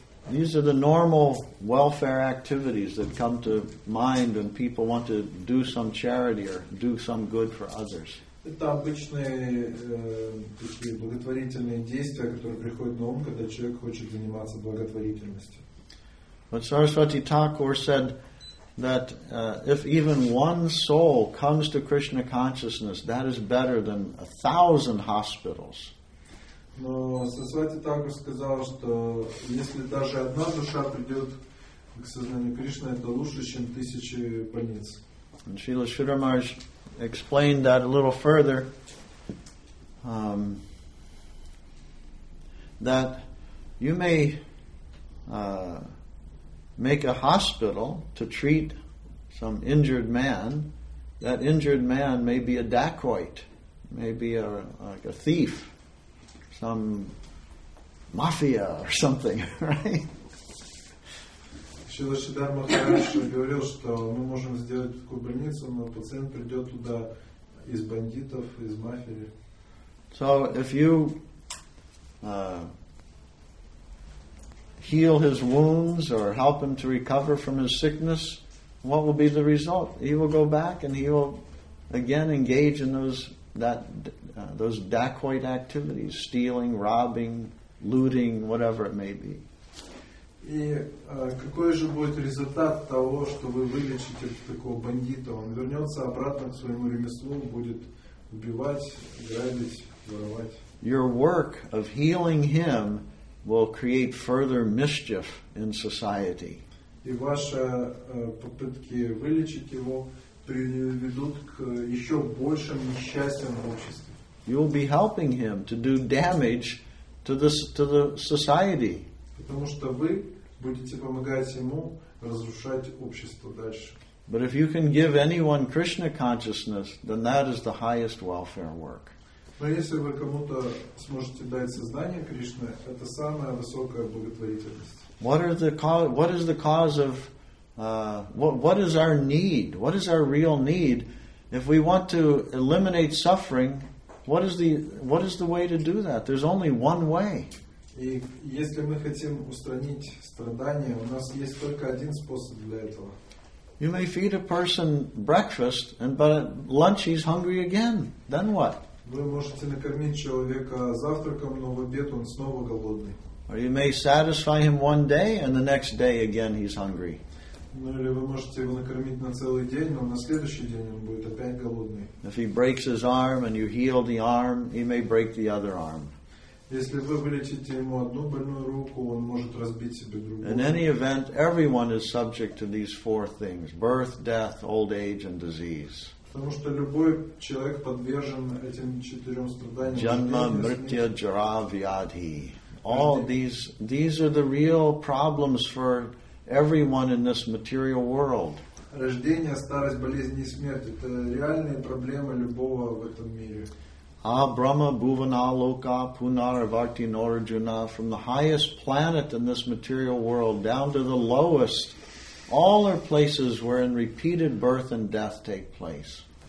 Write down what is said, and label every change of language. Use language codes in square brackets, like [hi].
[en] These are the normal welfare activities that come to mind when people want to do some charity or do some good for others. [ru] Это обычные такие благотворительные действия, которые приходят на ум, когда человек хочет заниматься благотворительностью. [en] But Saraswati Thakur said that if even one soul comes to Krishna consciousness, that is better than 1,000 hospitals. [ru] Но Сарасвати Такур сказал, что если даже одна душа придет к сознанию Кришны, это лучше, чем 1,000 больниц. [en] And Srila Sridhar Maharaj explained that a little further, that you may make a hospital to treat some injured man. That injured man may be a dacoit, maybe a thief, some mafia or something, right? [ru] Шрила Шридхар Махарадж говорил, что мы можем сделать такую больницу, но пациент придет туда из бандитов, из мафии. [en] So if you heal his wounds or help him to recover from his sickness, what will be the result? He will go back and he will again engage in those dacoit activities, stealing, robbing, looting, whatever it may be. [ru] И какой же будет результат того, что вы вылечите такого бандита? Он вернется обратно к своему ремеслу, будет убивать, грабить, воровать. [en] Your work of healing him will create further mischief in society. [ru] И ваши попытки вылечить его приведут к еще большим несчастьям в обществе. [en] You will be helping him to do damage to the society. [ru] Потому что вы будете помогать ему разрушать общество дальше. [en] But if you can give anyone Krishna consciousness, then that is the highest welfare work. [ru] Но если вы кому-то сможете дать сознание Кришны, это самая высокая благотворительность. [en] What is our need? What is our real need? If we want to eliminate suffering, what is the way to do that? There's only one way. [ru] И если мы хотим устранить страдания, у нас есть только один способ для этого. [en] You may feed a person breakfast, but at lunch he's hungry again. Then what? [ru] Вы можете накормить человека завтраком, но в обед он снова голодный. [en] Or you may satisfy him one day, and the next day again he's hungry. [ru] Ну или вы можете его накормить на целый день, но на следующий день он будет опять голодный. [en] If he breaks his arm and you heal the arm, he may break the other arm. [ru] Если вы вылечите ему одну больную руку, он может разбить себе другую. [en] In any event, everyone is subject to these four things: birth, death, old age, and disease. [ru] Потому что любой человек подвержен этим четырем страданиям. [sa] Janma, mritya, jara, vyadhi. [en] All these are the real problems for everyone in this material world. [ru] Рождение, старость, болезни и смерть – это реальные проблемы любого в этом мире. [sa] А Брахма Бхувана Лока Пунарварти Норджуна, [en] from the highest planet in this material world down to the lowest, all are places wherein repeated birth and death take place.